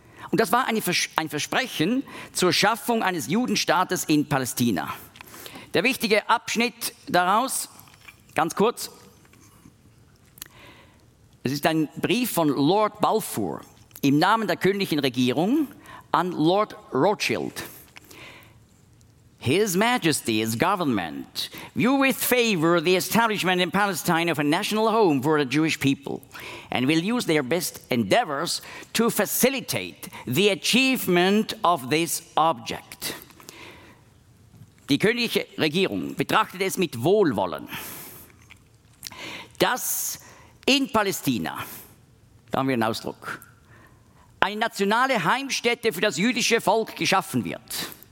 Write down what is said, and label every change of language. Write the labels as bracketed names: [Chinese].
[German] Und das war ein Versprechen zur Schaffung eines Judenstaates in Palästina. Der wichtige Abschnitt daraus, ganz kurz, es ist ein Brief von Lord Balfour im Namen der königlichen Regierung an Lord Rothschild. [English] His Majesty's government view with favor the establishment in Palestine of a national home for the Jewish people and will use their best endeavors to facilitate the achievement of this object. [German] Die königliche Regierung betrachtet es mit Wohlwollen, dass in Palästina, da haben wir einen Ausdruck, eine nationale Heimstätte für das jüdische Volk geschaffen wird.